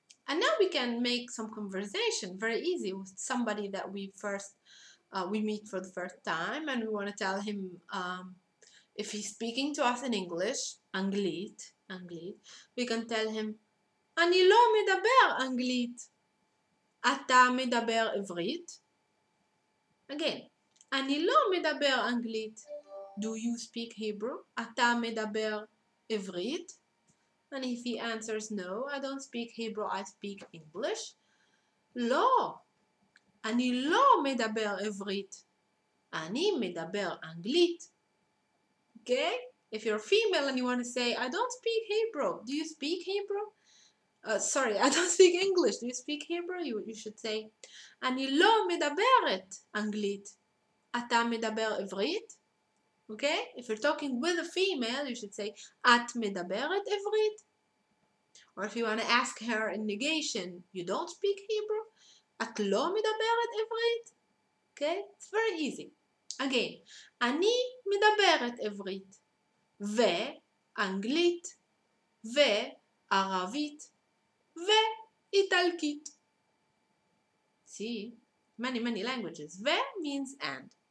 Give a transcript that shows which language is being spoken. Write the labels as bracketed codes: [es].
[en] And now we can make some conversation very easy with somebody that we meet for the first time, and we want to tell him if he's speaking to us in English, אנגלית, אנגלית, we can tell him, [he] אני לא מדבר אנגלית. אתה מדבר עברית? Again, אני לא מדבר אנגלית. [en] Do you speak Hebrew? [he] אתה מדבר עברית? [en] And if he answers no, I don't speak Hebrew, I speak English. [he] לא, אני לא מדבר עברית. אני מדבר אנגלית. Okay? [en] If you're female and you want to say, I don't speak Hebrew, do you speak Hebrew? Sorry, I don't speak English, do you speak Hebrew? You should say, [he] אני לא מדברת אנגלית. אתה מדבר עברית? [en] Okay, if you're talking with a female, you should say [he] את מדברת עברית. [en] Or if you want to ask her in negation, you don't speak Hebrew? [he] את לא מדברת עברית? [en] Okay, it's very easy. [he] Again, אני מדברת עברית ואנגלית וערבית ואיטלקית. [en] See, many, many languages. ו means and.